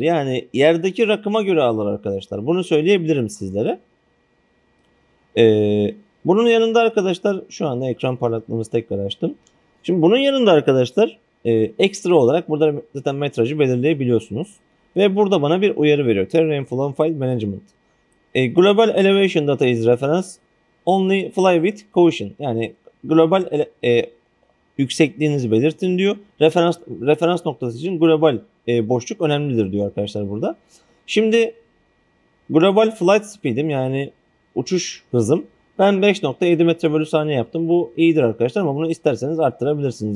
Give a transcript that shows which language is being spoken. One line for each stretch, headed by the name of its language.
Turkish: Yani yerdeki rakıma göre alır arkadaşlar. Bunu söyleyebilirim sizlere. Bunun yanında arkadaşlar şu anda ekran parlaklığımızı tekrar açtım. Şimdi bunun yanında arkadaşlar ekstra olarak burada zaten metrajı belirleyebiliyorsunuz. Ve burada bana bir uyarı veriyor.
English: Terrain Flow File Management. Global Elevation Data is Reference. Only Fly With Caution.
Turkish: Yani global yüksekliğinizi belirtin diyor. Referans noktası için global boşluk önemlidir diyor arkadaşlar burada. Şimdi global flight speed'im yani uçuş hızım. Ben 5,7 metre bölü saniye yaptım. Bu iyidir arkadaşlar ama bunu isterseniz arttırabilirsiniz.